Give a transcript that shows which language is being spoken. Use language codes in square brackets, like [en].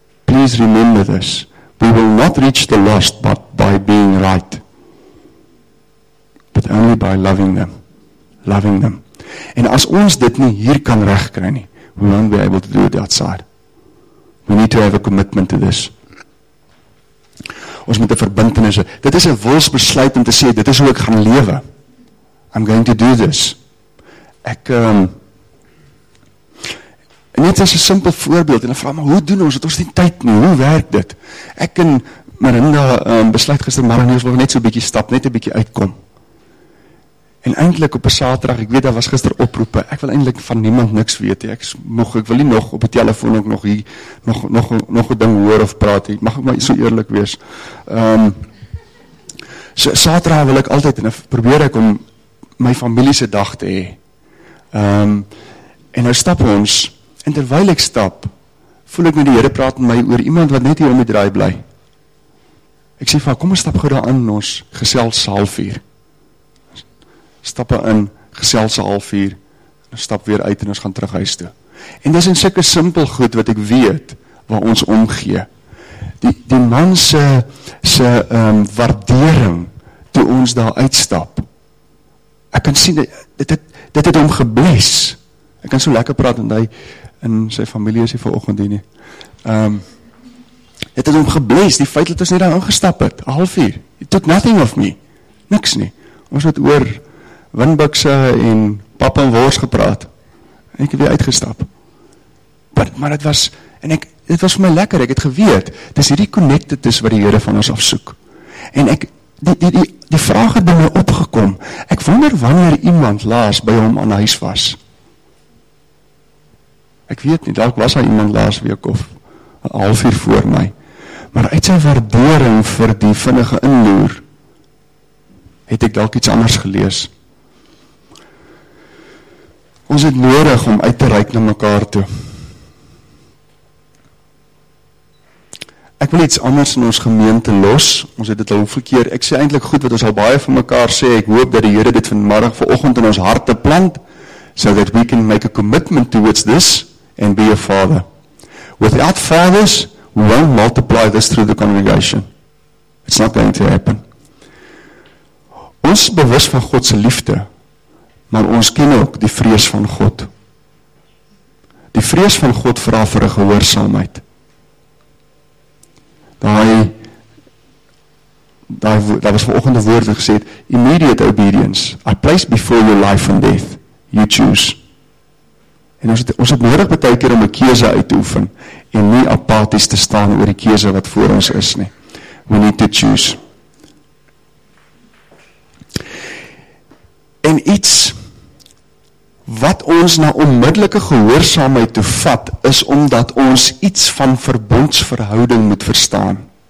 [en] Please remember this. We will not reach the lost but by being right. But only by loving them. Loving them. [af] En as ons dit nie hier kan regkry nie, [en] we won't be able to do it outside. We need to have a commitment to this. [af] Ons moet 'n verbintenis hê. Dit is 'n wilsbesluit om te sê, dit is hoe ek gaan lewe. [en] I'm going to do this. [af] Net as 'n simpel voorbeeld, en dan vraag, maar hoe doen ons, het ons nie tyd nie, hoe werk dit? Ek en Marinda besluit gister, Marinda, ons wil net so'n bietjie stap, net 'n bietjie uitkom. En eindelijk op 'n saterdag, ek weet, daar was gister oproepe, ek wil eindelijk van niemand niks weet, ek is moeg, ek wil nie nog op die telefoon ook nog hier, nog een ding hoor of praat, mag ek maar so eerlijk wees. So, saterdag wil ek altyd, en probeer ek om my familie se dag te hê. En nou stap ons, en terwyl ek stap, voel ek met die Here praat met my oor iemand wat net hier om die draai bly. Ek sê van, kom ons stap gou daar in ons gesels halfuur. Stap in, gesels halfuur, en stap weer uit en ons gaan terug huis toe. En dis 'n sulke simpel goed wat ek weet, waar ons omgee. Die man se waardering, toe ons daar uitstap, ek kan sien, dit het hom gebles. Ek kan so lekker praat, en hy en sy familie is hier vir oggend hier nie. Het het hom gebles, die feit dat ons net daar aangestap het, half uur, [en] it took nothing of me, [af] niks nie. Ons het oor windbukse en pap en wors gepraat, en ek het weer uitgestap. Maar het was, en ek, het was vir my lekker, ek het geweet, het is hierdie connected is wat die Here van ons afsoek. En ek, die vraag het by my opgekom, ek wonder wanneer iemand laas by hom aan huis was. Ek weet nie, dalk was hy iemand laas week of 'n half uur voor my. maar uit sy waardering vir die vinnige inloer, het ek dalk iets anders gelees. Ons het nodig om uit te reik na mekaar toe. Ek wil iets anders in ons gemeente los, ons het dit al hoeveel keer, ek sê eintlik goed wat ons al baie van mekaar sê, ek hoop dat die Here dit vanmiddag vanoggend in ons harte plant, [en] so that we can make a commitment towards this, and be a father. Without fathers, we won't multiply this through the congregation. It's not going to happen. [af] Ons is bewus van Godse liefde, maar ons ken ook die vrees van God. Die vrees van God vra vir 'n gehoorsaamheid. Daar was vanoggende woorde gesê, [en] immediate obedience, I place before your life and death, you choose. [af] En ons het nodig baie keer om 'n keuse uit te oefen, en nie apaties te staan oor die keuse wat voor ons is nie. [en] We need to choose. [af] En iets wat ons na onmiddellike gehoorsaamheid toe vat, is omdat ons iets van verbondsverhouding moet verstaan.